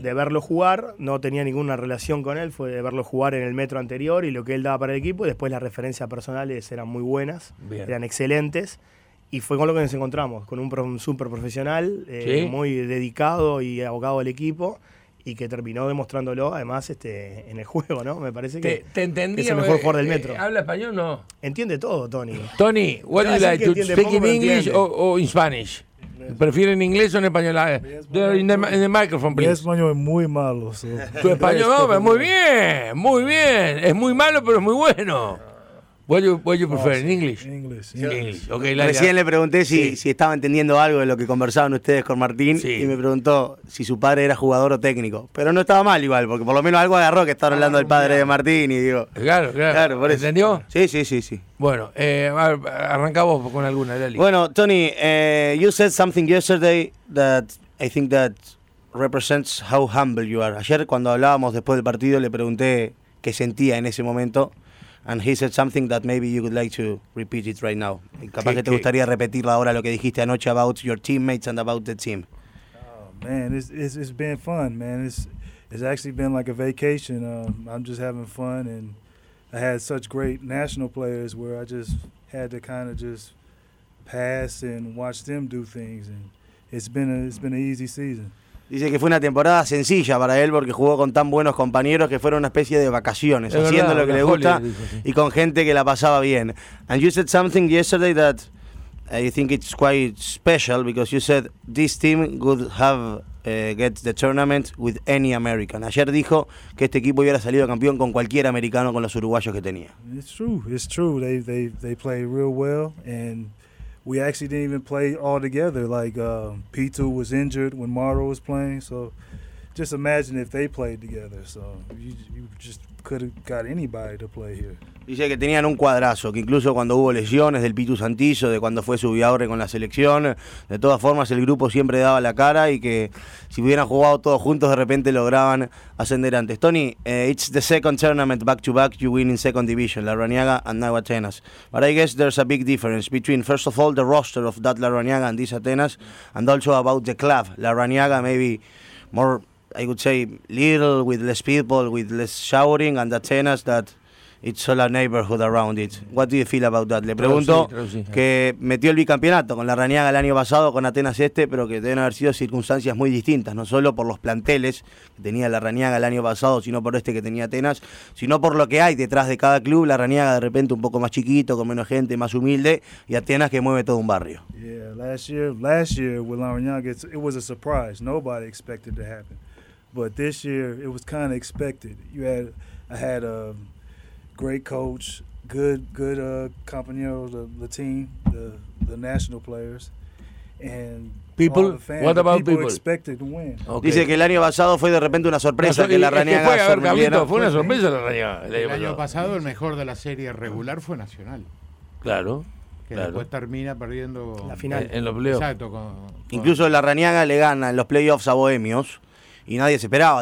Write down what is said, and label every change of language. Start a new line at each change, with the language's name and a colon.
Spanish: De verlo jugar, no tenía ninguna relación con él, fue de verlo jugar en el metro anterior y lo que él daba para el equipo, y después las referencias personales eran muy buenas, eran excelentes. Y fue con lo que nos encontramos, con un súper profesional, muy dedicado y abocado al equipo, y que terminó demostrándolo, además, en el juego, ¿no? Me parece que te entendí, es el mejor jugador del metro. ¿Habla español o no? Entiende todo, Tony.
English: Tony, what do you like, to speak in English o in Spanish?
Spanish: ¿Prefieres en inglés o en español? En el
English: microphone, please.
Spanish: Mi español es muy malo. So. Tu español, hombre, muy bien, muy bien. Es muy malo, pero es muy bueno.
English: What do you prefer, in English? English.
Spanish: Okay, like recién le pregunté si estaba entendiendo algo de lo que conversaban ustedes con Martín y me preguntó si su padre era jugador o técnico. Pero no estaba mal igual, porque por lo menos algo agarró que estaba hablando del padre de Martín y digo... Claro. Por eso. ¿Entendió? Sí. Bueno, arrancamos con alguna, Lali.
English: Bueno, Tony, you said something yesterday that I think that represents how humble you are.
Spanish: Ayer cuando hablábamos después del partido le pregunté qué sentía en ese momento.
English: And he said something that maybe you would like to repeat it right now.
Spanish: Capaz que te gustaría repetirlo ahora lo que dijiste anoche
English: about your teammates and about the team. Oh man, it's been fun, man. It's actually been like a vacation. I'm just having fun, and I had such great national players where I just had to kind of just pass and watch them do things, and it's been an easy season.
Spanish: Dice que fue una temporada sencilla para él porque jugó con tan buenos compañeros que fueron una especie de vacaciones, lo que le gusta y con gente que la pasaba bien.
English: And you said something yesterday that you think it's quite special because you said this team would have get the tournament with any American.
Spanish: Ayer dijo que este equipo hubiera salido campeón con cualquier americano con los uruguayos que tenía.
English: It's true. They play real well and we actually didn't even play all together. Like P2 was injured when Mauro was playing, so just imagine if they played together. So you just could have got anybody to play here.
Spanish: Dice que tenían un cuadrazo, que incluso cuando hubo lesiones del Pitu Santizo, de cuando fue su viaje con la selección, de todas formas el grupo siempre daba la cara y que si hubieran jugado todos juntos de repente lograban ascender antes.
English: Tony, it's the second tournament back to back you win in second division, La Raniaga and now Atenas. But I guess there's a big difference between, first of all, the roster of that La Raniaga and this Atenas, and also about the club. La Raniaga maybe more, I would say, little, with less people, with less shouting, and Atenas that... It's all a neighborhood around it. What do you feel about that?
Spanish: Le pregunto que metió el bicampeonato con la Raniaga el año pasado, con Atenas este, pero que deben haber sido circunstancias muy distintas, no solo por los planteles que tenía la Raniaga el año pasado, sino por este que tenía Atenas, sino por lo que hay detrás de cada club. La Raniaga de repente un poco más chiquito, con menos gente, más humilde, y Atenas que mueve todo un barrio.
English: Yeah, last year with La Raniaga, it was a surprise. Nobody expected it to happen. But this year, it was kind of expected. I had a great coach, good compañero, the team, the national players, and people. All the fans, what about people? People expected to win. Okay.
Spanish: Dice que el año pasado fue de repente una sorpresa que la Raniaga fue una sorpresa la Raniaga. El año pasado el mejor de la serie regular fue Nacional. Claro. Después termina perdiendo la final en los playoffs. Exacto. Con incluso la Raniaga le gana en los playoffs a Bohemios. Y nadie se esperaba.